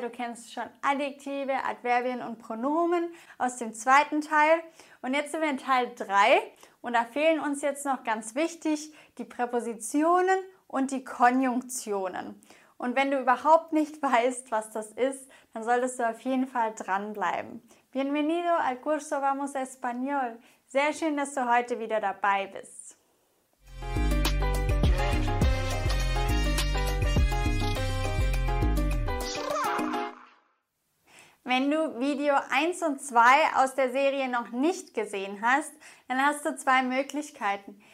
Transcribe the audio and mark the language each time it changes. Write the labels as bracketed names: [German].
[German] Du kennst schon Adjektive, Adverbien und Pronomen aus dem zweiten Teil. Und jetzt sind wir in Teil 3 und da fehlen uns jetzt noch ganz wichtig die Präpositionen und die Konjunktionen. Und wenn du überhaupt nicht weißt, was das ist, dann solltest du auf jeden Fall dranbleiben. [Spanish] Bienvenido al curso Vamos Español. [German] Sehr schön, dass du heute wieder dabei bist. Wenn du Video 1 und 2 aus der Serie noch nicht gesehen hast, dann hast du zwei Möglichkeiten.